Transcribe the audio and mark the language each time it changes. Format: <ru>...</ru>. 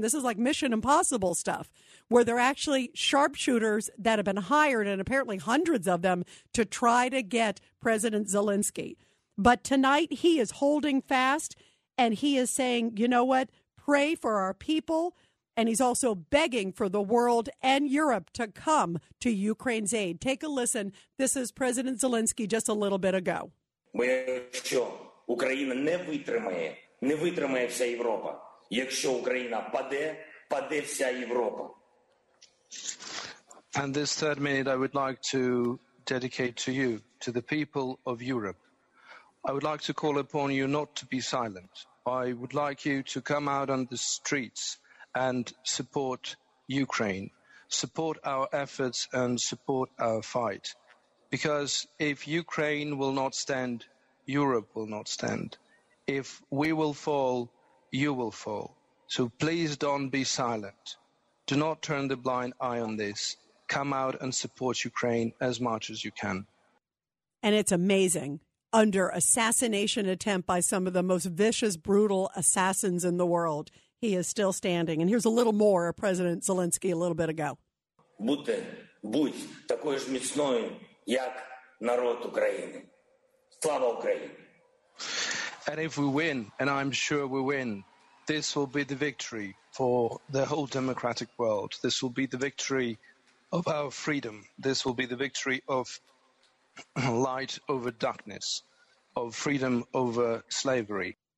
<en>This is like Mission Impossible stuff, where they're actually sharpshooters that have been hired, and apparently hundreds of them, to try to get President Zelensky. But tonight he is holding fast, and he is saying, you know what, pray for our people. And he's also begging for the world and Europe to come to Ukraine's aid. Take a listen. This is President Zelensky just a little bit ago.</en> <uk>Якщо Україна не витримає вся Європа. Якщо Україна паде, паде вся Європа.</uk> <en>And this third minute I would like to dedicate to you, to the people of Europe. I would like to call upon you not to be silent. I would like you to come out on the streets and support Ukraine, support our efforts and support our fight. Because if Ukraine will not stand, Europe will not stand. If we will fall, you will fall. So please don't be silent. Do not turn the blind eye on this. Come out and support Ukraine as much as you can. And it's amazing. Under assassination attempt by some of the most vicious, brutal assassins in the world, he is still standing. And here's a little more of President Zelensky a little bit ago.</en> <uk>Будь такою ж міцною, як народ України. Слава Україні!</uk> <en>And if we win, and I'm sure we win, this will be the victory for the whole democratic world. This will be the victory of our freedom. This will be the victory of light over darkness, of freedom over slavery.</en>